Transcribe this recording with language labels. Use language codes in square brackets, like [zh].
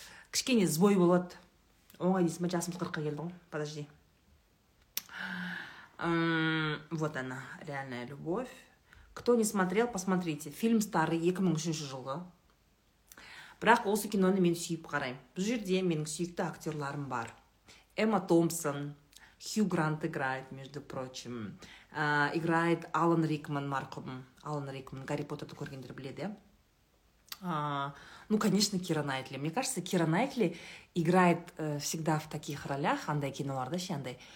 [kk] Кішкене збой болады. Оңай дейсің ба, жасым 40-қа келді ғой. [ru] Подожди. Вот она, «Реальная любовь». Кто не смотрел, посмотрите. Фильм старый, [kk] 2003 жылғы. Бірақ осы киноны мен сүйіп қараймын. Бұл жерде менің сүйікті актерларым бар. [ru] Эмма Томпсон, Хью Грант играет, между прочим. [kk] Играет Алан Рикман, марқұм. Алан Рикман, Гарри Поттерді көргендер біледі. [ru] Ну, конечно, Кира Найтли. Мне кажется, Кира Найтли играет всегда в таких ролях, [kk] андай киноларда, да, ше, андай.